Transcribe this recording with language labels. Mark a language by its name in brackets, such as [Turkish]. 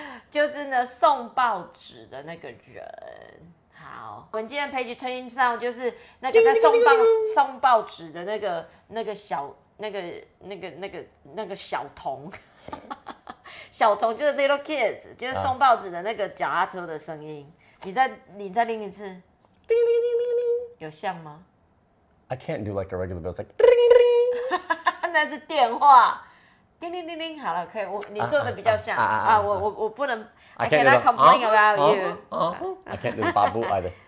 [Chinese] 就是呢，送报纸的那个人。好，我们今天 page turning sound 就是那个在送报纸的那个小童，小童就是 [English] little kids， [Chinese] 就是送报纸的那个脚踏车的声音。你再拎一次，叮叮叮叮叮，有像吗 [English] ？I can't do like a regular bell. It's like 叮叮叮， [Chinese] 那是电话。叮叮叮叮，好了，可以，你做的比较像我不能。 [English] I cannot complain about you. I can't do the babu either.